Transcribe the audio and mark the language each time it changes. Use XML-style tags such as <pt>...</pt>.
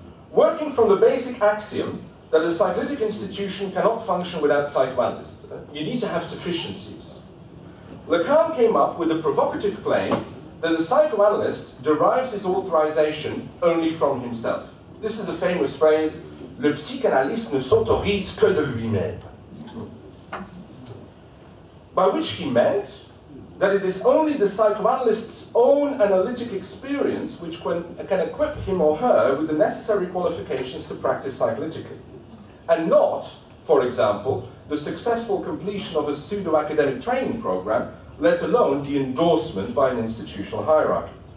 <en>Working from the basic axiom that a cyclic institution cannot function without cyclicality, you need to have sufficiencies, Lacan came up with a provocative claim that the psychoanalyst derives his authorization only from himself. This is the famous phrase,</en> <fr>le psychanalyste ne s'autorise que de lui-même.</fr> <en>By which he meant that it is only the psychoanalyst's own analytic experience which can equip him or her with the necessary qualifications to practice psycholytically, and not, for example, the successful completion of a pseudo-academic training program, let alone the endorsement by an institutional hierarchy.</en>